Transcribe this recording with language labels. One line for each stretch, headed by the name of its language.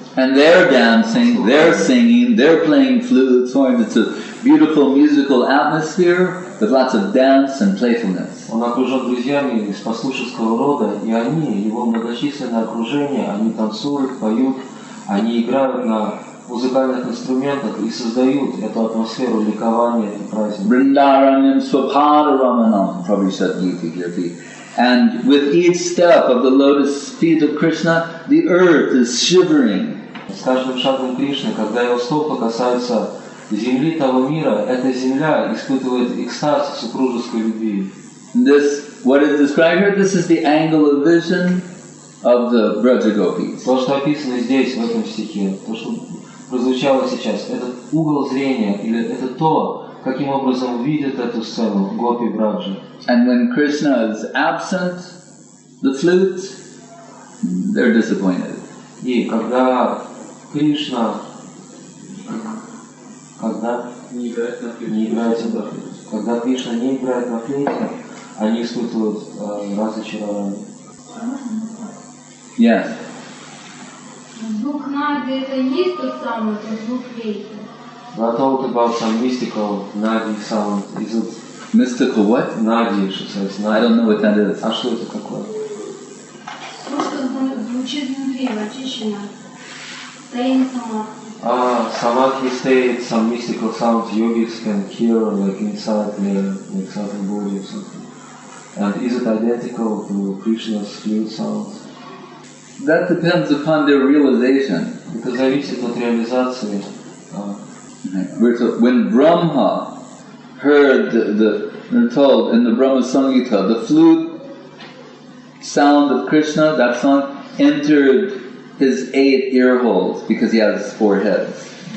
English: And they're dancing, they're singing, they're playing flutes. It's a beautiful musical atmosphere with lots of dance and playfulness.
Russian: Он окружен друзьями из пастушеского рода, и они, его многочисленное окружение, они танцуют, поют, они играют на музыкальных инструментах и создают эту атмосферу ликования и праздника.
Sanskrit: Vrindaranyam Swapadaramanam, Prabhu said Gita Girti.
English: And with each step of the lotus feet of Krishna, the earth is shivering.
Russian: С каждым шагом Кришны, когда его стопы касаются земли того мира, эта земля испытывает экстаз супружеской любви.
English: This, what is described here, this is the angle of vision of the Vrajagopis.
Russian: То, что описано здесь, в этом стихе, то, что прозвучало сейчас, это угол зрения, или это то, каким образом видят эту сцену гопи Браджи.
English: And when Krishna is absent, the flute, they're disappointed.
Russian: И когда Кришна, когда не играет на флюте, когда Кришна не играет на флюте, они испытывают разочарование.
English: Yes.
Russian: Дух Нади — это есть тот самый, тот дух флейта.
English: I thought about some mystical Nadi sound. Is it mystical what? Nadi, she says. I don't know what that is.
Russian: А что это такое? Просто звучит внутри, очищено. Таин Самадхи.
English: Ah, Samadhi state, some mystical sounds yogis can hear, like inside the exotic body or something. And is it identical to Krishna's flute sounds? That depends upon their realization.
Russian: Это зависит от реализации.
English: When Brahma heard the told in the Brahma Sangita, the flute sound of Krishna, that song entered his eight ear holes because he has four heads.